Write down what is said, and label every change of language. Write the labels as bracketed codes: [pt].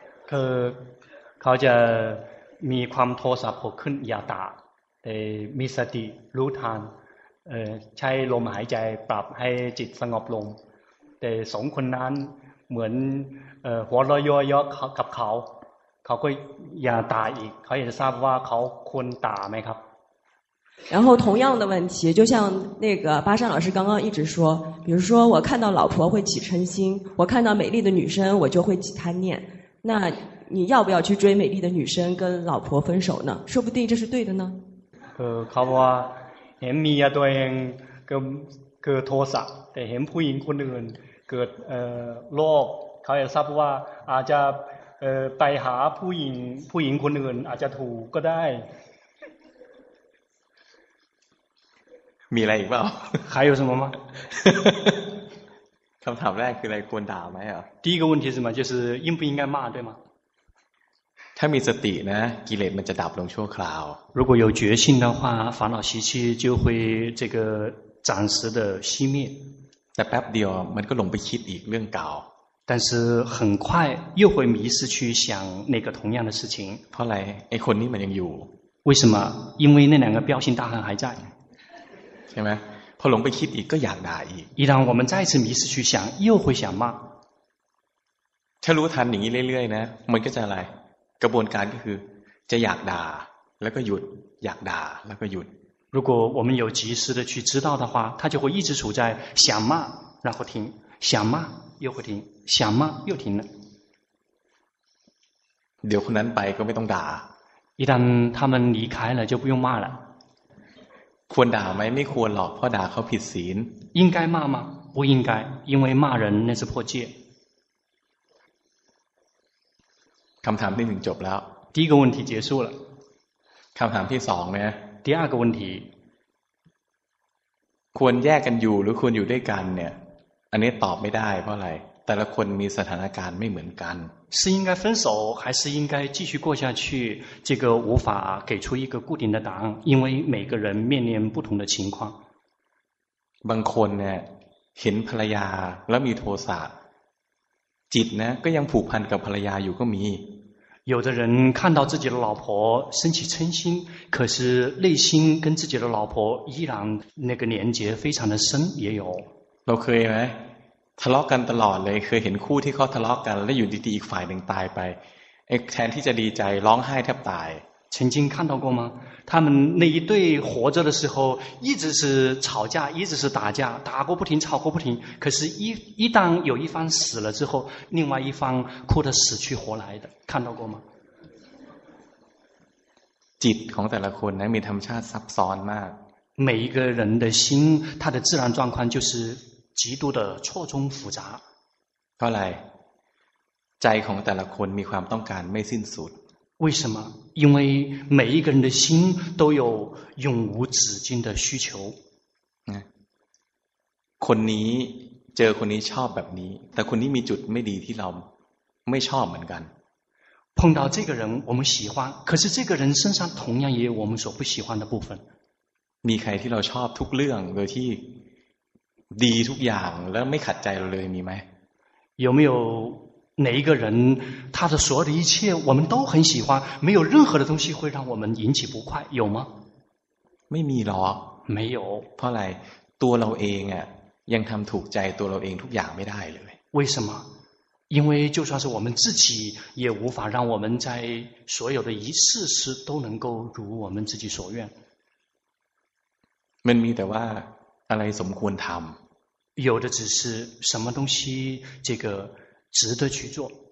[zh] 可考姐 [th] มีความโทสะโผล่ขึ้นอย่าด่าแต่มีสติรู้ทันใช้ลมหายใจปรับให้จิตสงบลงแต่สองคนนั้นเหมือนหัวเราะย่อยๆกับเขาก็อย่าด่าอีกเขาอยากจะทราบว่าเขาควรด่าไหมครับ [zh] 然后同样的问题，就像那个巴山老师刚刚一直说，比如说我看到老婆会起嗔心，我看到美丽的女生我就会起贪念，那你要不要去追美丽的女生跟老婆分手呢？说不定这是对的呢。 [th] ครับว่าเห็นมีตัวเองเกิดโทสะแต่เห็นผู้หญิงคนอื่นเกิดโลภเขาจะทราบว่าอาจจะไปหาผู้หญิงคนอื่นอาจจะถูกก็ได้ มีอะไรอีกเปล่า ใครอยู่สมมั้ย คำถามแรกคืออะไรควรด่าไหมอ่ะ [zh] 第一个问题是什么就是应不应该骂对吗 [th] ถ้ามีสตินะกิเลสมันจะดับลงชั่วคราว [zh] 如果有决心的话烦恼习气就会这个暂时的熄灭 [th] แต่แป๊บเดียวมันก็หลงไปคิดอีกเรื่องเก่า [zh] 但是很快又会迷失去想那个同样的事情 [th] เพราะอะไรไอ้คนนี้มันยังอยู่ [zh] 为什么因为那两个标性大汉还在 [th] ใช่ไหมพอหลงไปคิดอีกก็อยากด่าอีก [zh] 一旦我们再次迷失去想又会想骂 [th] ถ้ารู้ทันอย่างนี้เรื่อยๆนะมันก็จะอะไรกระบวนการก็คือจะอยากด่าแล้วก็หยุดอยากด่าแล้วก็หยุด [zh] 如果我们有及时的去知道的话它就会一直处在想骂然后停想骂又会停想骂又停了 [th] เดี๋ยวคนนั้นไปก็ไม่ต้องด่า [zh] 一旦他们离开了就不用骂了 [th] ควรด่าไหมไม่ควรหรอกเพราะด่าเขาผิดศีล [zh] 应该骂吗不应该因为骂人那是破戒 [th] คำถามที่หนึ่งจบแล้ว [zh] 第一个问题结束了 [th] คำถามที่สองเนี่ย [zh] 第二个问题 [th] ควรแยกกันอยู่หรือควรอยู่ด้วยกันเนี่ยอันนี้ตอบไม่ได้เพราะอะไรแต่ละคนมีสถานการณ์ไม่เหมือนกัน [zh] 是应该分手还是应该继续过下去这个无法给出一个固定的答案因为每个人面临不同的情况 [th] บางคนเนี่ยเห็นภรรยาแล้วมีโทสะจิตนะก็ยังผูกพันกับภรรยาอยู่ก็มี [zh] 有的人看到自己的老婆升起嗔心可是内心跟自己的老婆依然那个连结非常的深也有 [th] เราเคยไหมทะเลาะ กันตลอดเลยเคยเห็นคู่ที่เขาทะเลาะ กันแล้วอยู่ดีๆอีกฝ่ายหนึ่งตายไปไอ้แทนที่จะดีใจร้องไห้แทบตาย [zh] 曾经看到过吗他们那一对活着的时候一直是吵架一直是打架打过不停吵过不停可是一旦有一方死了之后另外一方哭得死去活来的看到过吗 [th] จิตของแต่ละคนนั้นมีธรรมชาติซับซ้อนมาก [zh] 每一个人的心他的自然状况就是极度的错综复杂 [th] เพราะอะไรใจของแต่ละคนมีความต้องการไม่สิ้นสุด [zh] 为什么因为每一个人的心都有永无止境的需求 [th] คนนี้เจอคนนี้ชอบแบบนี้แต่คนนี้มีจุดไม่ดีที่เราไม่ชอบเหมือนกัน [zh] 碰到这个人我们喜欢可是这个人身上同样也有我们所不喜欢的部分 [th] มีใครที่เราชอบทุกเรื่องโดยที่ดีทุกอย่างแล้วไม่ขัดใจเราเลยมีไหม [zh] 有没有哪一个人他的所有的一切我们都很喜欢没有任何的东西会让我们引起不快有吗 [th] ไม่มีหรอก [zh] 没有 [th] เพราะอะไรตัวเราเองอ่ะยังทำถูกใจตัวเราเองทุกอย่างไม่ได้เลย [zh] 为什么因为就算是我们自己也无法让我们在所有的一事事都能够如我们自己所愿 [th] มันมีแต่ว่าอะไรสมควรทำ [zh] 有的只是什么东西这个值得去做